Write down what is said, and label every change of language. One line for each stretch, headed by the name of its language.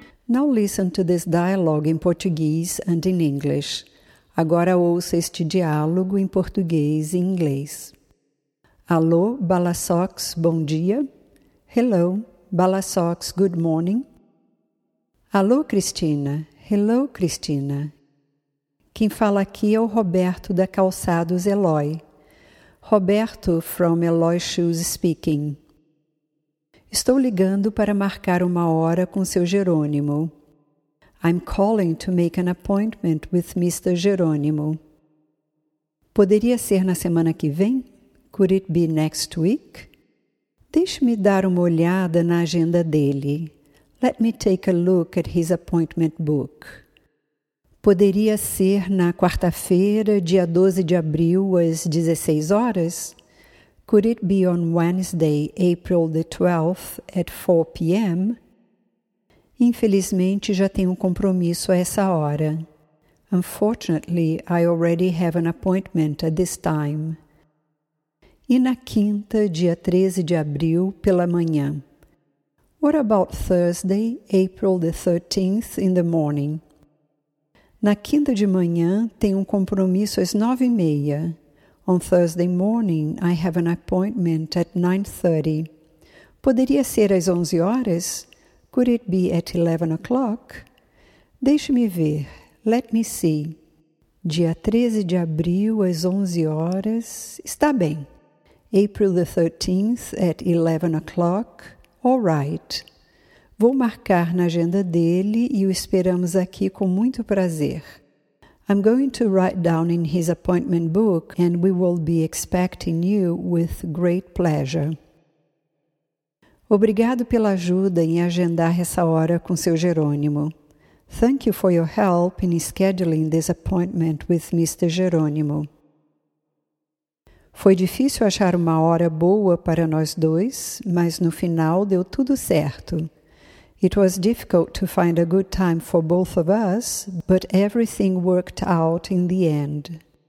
English: Now listen to this dialogue in Portuguese and in English.
Portuguese: Agora ouça este diálogo em português e inglês. Alô, Balasox, bom dia.
English: Hello, Balasox, good morning.
Portuguese: Alô, Cristina.
English: Hello, Cristina.
Portuguese: Quem fala aqui é o Roberto da Calçados Eloy.
English: Roberto from Eloy Shoes speaking.
Portuguese: Estou ligando para marcar uma hora com seu Jerônimo.
English: I'm calling to make an appointment with Mr. Jerônimo.
Portuguese: Poderia ser na semana que vem?
English: Could it be next week?
Portuguese: Deixe-me dar uma olhada na agenda dele.
English: Let me take a look at his appointment book.
Portuguese: Poderia ser na quarta-feira, dia 12 de abril, às 16 horas?
English: Could it be on Wednesday, April the 12th, at 4 p.m.?
Portuguese: Infelizmente, já tenho um compromisso a essa hora.
English: Unfortunately, I already have an appointment at this time.
Portuguese: E na quinta, dia 13 de abril, pela manhã?
English: What about Thursday, April the 13th, in the morning?
Portuguese: Na quinta de manhã, tenho um compromisso às 9h30.
English: On Thursday morning, I have an appointment at 9:30.
Portuguese: Poderia ser às 11 horas?
English: Could it be at 11 o'clock?
Portuguese: Deixe-me ver.
English: Let me see.
Portuguese: Dia 13 de abril, às 11 horas. Está bem.
English: April the 13th, at 11 o'clock. All right.
Portuguese: Vou marcar na agenda dele e o esperamos aqui com muito prazer.
English: I'm going to write down in his appointment book and we will be expecting you with great pleasure.
Portuguese: Obrigado pela ajuda em agendar essa hora com seu Jerônimo.
English: Thank you for your help in scheduling this appointment with Mr. Jerônimo.
Portuguese: Foi difícil achar uma hora boa para nós dois, mas no final deu tudo certo.
English: It was difficult to find a good time for both of us, but everything worked out in the end.